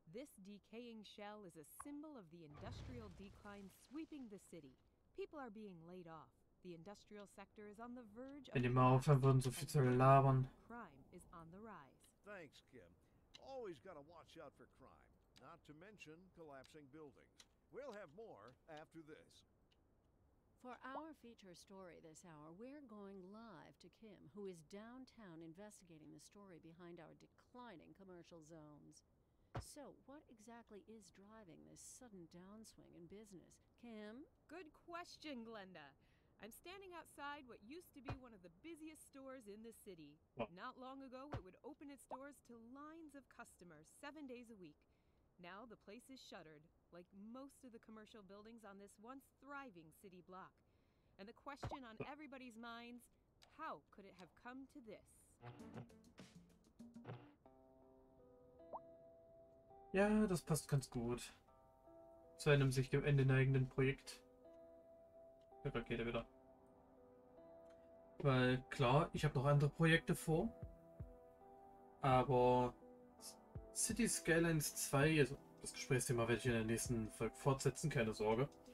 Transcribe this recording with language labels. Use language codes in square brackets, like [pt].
[en] This decaying shell is a symbol of the industrial decline sweeping the city. People are being laid off. The industrial sector is on the verge of... [de] Wenn die mal aufhören würden, so viel zu labern. [en] Crime is on the rise. Thanks, Kim. Always gotta watch out for crime. Not to mention collapsing buildings. We'll have more after this. For our feature story this hour, we're going live to Kim, who is downtown investigating the story behind our declining commercial zones. So, what exactly is driving this sudden downswing in business, Kim? Good question, Glenda. I'm standing outside what used to be one of the busiest stores in the city. Not long ago, it would open its doors to lines of customers 7 days a week. Now the place is shuttered, like most of the commercial buildings on this once thriving city block. And the question on everybody's minds, how could it have come to this? [de] Ja, das passt ganz gut zu einem sich dem Ende neigenden Projekt. Da geht er wieder. Weil klar, ich habe noch andere Projekte vor, aber City Skylines 2, also das Gesprächsthema werde ich in der nächsten Folge fortsetzen, keine Sorge.